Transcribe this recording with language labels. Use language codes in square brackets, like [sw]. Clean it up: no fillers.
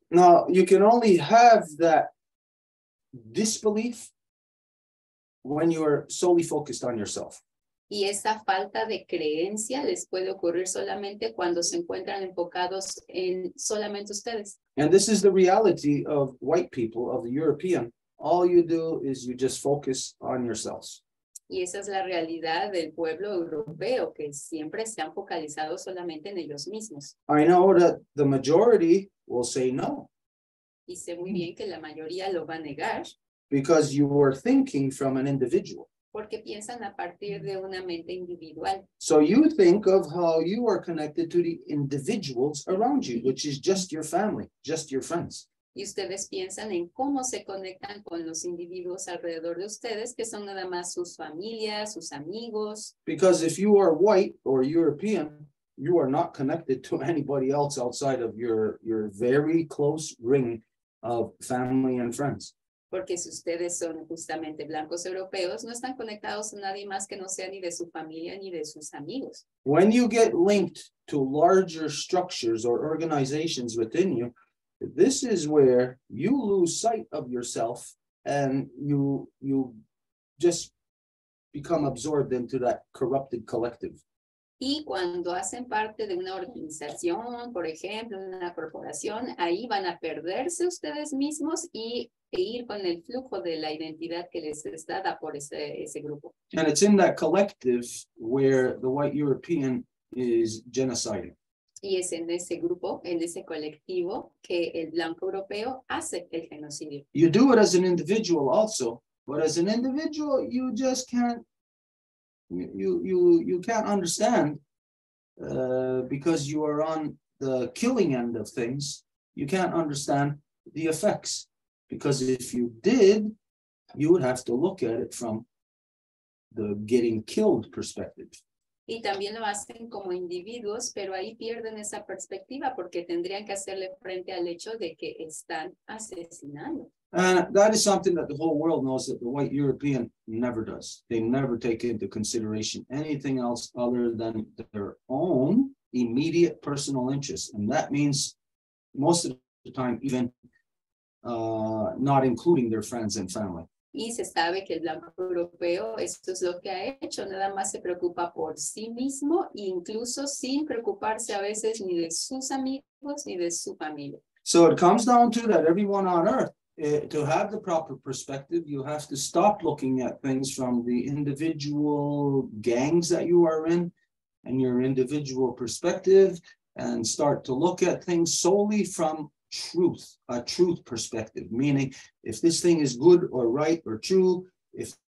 [en] Now, you can only have that disbelief when you are solely focused on yourself. [es] Y esa falta de creencia les puede ocurrir solamente cuando se encuentran enfocados en solamente ustedes. [en] And this is the reality of white people, of the European. All you do is you just focus on yourselves. [es] Y esa es la realidad del pueblo europeo, que siempre se han focalizado solamente en ellos mismos. [en] I know that the majority will say no. [es] Y sé muy bien que la mayoría lo va a negar. [en] Because you were thinking from an individual. [es] Porque piensan a partir de una mente individual. [en] So you think of how you are connected to the individuals around you, which is just your family, just your friends. [es] Y ustedes piensan en cómo se conectan con los individuos alrededor de ustedes, que son nada más sus familias, sus amigos. [en] Because if you are white or European, you are not connected to anybody else outside of your very close ring of family and friends. [es] Porque si ustedes son justamente blancos europeos, no están conectados a nadie más que no sea ni de su familia ni de sus amigos. [en] When you get linked to larger structures or organizations within you, this is where you lose sight of yourself and you just become absorbed into that corrupted collective. [es] Y cuando hacen parte de una organización, por ejemplo, una corporación, ahí van a perderse ustedes mismos y ir con el flujo de la identidad que les es dada por ese grupo. [en] And it's in that collective where the white European is genociding. [es] Y es en ese grupo, en ese colectivo, que el blanco europeo hace el genocidio. [en] You do it as an individual also, but as an individual you just can't. You can't understand because you are on the killing end of things. You can't understand the effects, because if you did, you would have to look at it from the getting killed perspective. [es] Y también lo hacen como individuos, pero ahí pierden esa perspectiva porque tendrían que hacerle frente al hecho de que están asesinando. [en] And that is something that the whole world knows that the white European never does. They never take into consideration anything else other than their own immediate personal interests. And that means most of the time even not including their friends and family. [es] Y se sabe que el blanco europeo, esto es lo que ha hecho, nada más se preocupa por sí mismo, incluso sin preocuparse a veces ni de sus amigos ni de su familia. [en] So it comes down to that everyone on earth, to have the proper perspective, you have to stop looking at things from the individual gangs that you are in and your individual perspective, and start to look at things solely from truth, a truth perspective, meaning if this thing is good or right or true, if